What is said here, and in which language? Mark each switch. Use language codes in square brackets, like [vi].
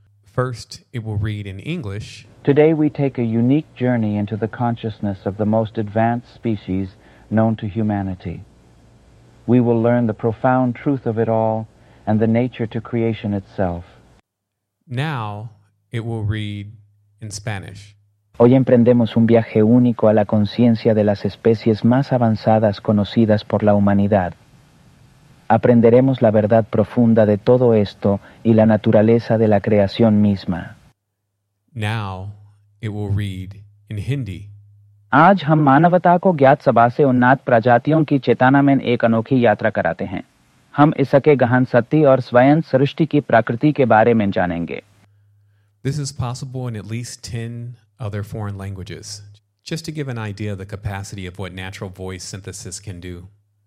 [en] First, it will read in English. Today we take a unique journey into the consciousness of the most advanced species known to humanity. We will learn the profound truth of it all and the nature to creation itself. Now, it will read in Spanish. [es] Hoy emprendemos un viaje único a la conciencia de las especies más avanzadas conocidas por la humanidad. Aprenderemos la verdad profunda de todo esto y la naturaleza de la creación misma. [en] Now, it will read in Hindi. [hi] आज हम मानवता को ज्ञात सभा से उन्नत प्रजातियों की चेतना में एक अनोखी यात्रा कराते हैं। हम इसके गहन सत्य और स्वयं सृष्टि की प्रकृति के बारे में जानेंगे। [en] This is possible in at least 10 other foreign languages. Just to give an idea of the capacity of what natural voice synthesis can do.